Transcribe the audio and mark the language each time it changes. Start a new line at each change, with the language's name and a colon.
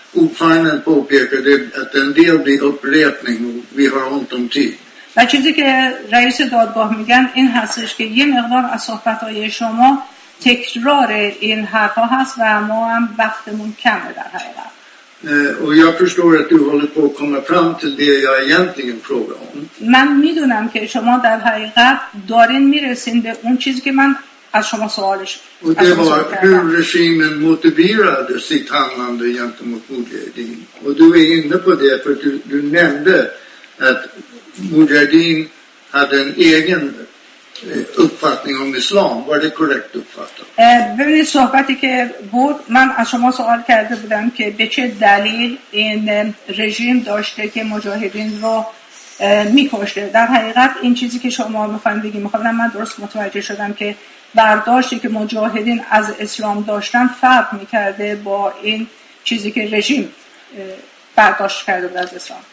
Swedish: ordföranden påpekade att en del blir upprepning och vi har ont om tid. Men
Persian: چیزی که رئیس دادگاه میگن این هستش که یه مقدار از صحبت‌های شما تکرار این حرفا هست و ما هم وقتمون کمه در حقیقت.
Swedish: Och jag förstår att du håller på att komma fram till det jag egentligen frågar om.
Persian: من میدونم که شما در حقیقت دارین میرسین به اون چیزی که من از شما سوالش.
Swedish: Och det var hur regimen motiverade sitt handlande gentemot Mujahedin. Och du är inne på det för du nämnde att Mujahedin hade en egen uppfattning om islam. Var det korrekt uppfattat?
Persian: ببینید صحبتی که بود من از شما سوال کرده بودم که به چه دلیل این رژیم داشته که مجاهدین رو میکشته. در حقیقت این چیزی که شما میخواین بگید میخواینم من درست متوجه شدم که برداشتی که مجاهدین از اسلام داشتن فرق میکرده با این چیزی که رژیم برداشت کرده بود از اسلام.